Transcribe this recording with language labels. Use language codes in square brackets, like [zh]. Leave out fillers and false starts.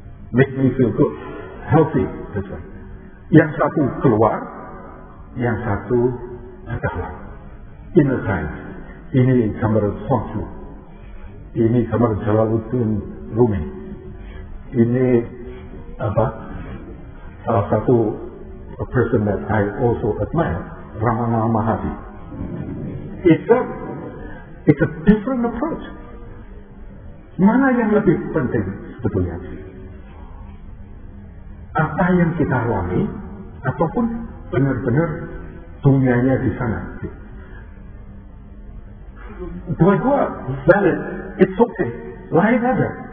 [en] Make me feel good, healthy. That's right. [id] Yang satu keluar, yang satu adalah inner science. Ini gambar Songshu. Ini gambar Jalaluddin Rumi. Ini salah satu [en] a person that I also admire, Ramana Mahathir. It's a different approach. [id] Mana yang lebih penting sebetulnya? Apa yang kita alami ataupun benar-benar dunianya di sana? Dua-dua valid. [en] It's okay. [id] Lain ada.